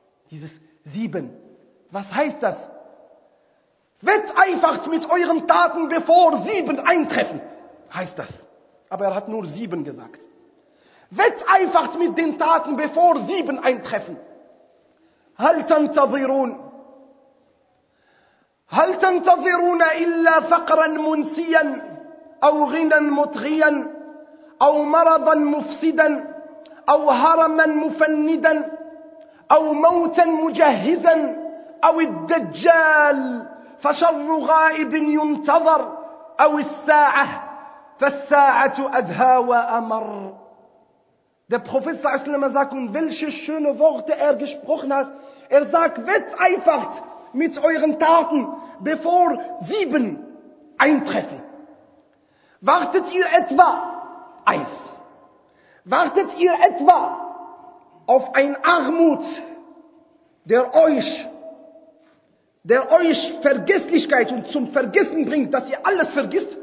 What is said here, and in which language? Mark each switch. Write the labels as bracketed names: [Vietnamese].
[German] Dieses sieben. Was heißt das? Wetteifert mit euren Taten, bevor sieben eintreffen. Heißt das. Aber er hat nur sieben gesagt. Wetteifert mit den Taten, bevor sieben eintreffen. [Arabic] Haltan tazirun. هل تنتظرون إلا فقرا منسيا أو غنى مطغيا أو مرضا مفسدا أو هرما مفندا أو موتا مجهزا أو الدجال فشر غائب ينتظر أو الساعة فالساعة أدهى وأمر. [German] Der Prophet [Arabic] صلى الله عليه وسلم [German] sagt, und welche schöne Worte er gesprochen hat. Er sagt, wetteifert mit euren Taten, bevor sieben eintreffen. Wartet ihr etwa Eis? Wartet ihr etwa auf ein Armut, der euch Vergesslichkeit und zum Vergessen bringt, dass ihr alles vergisst?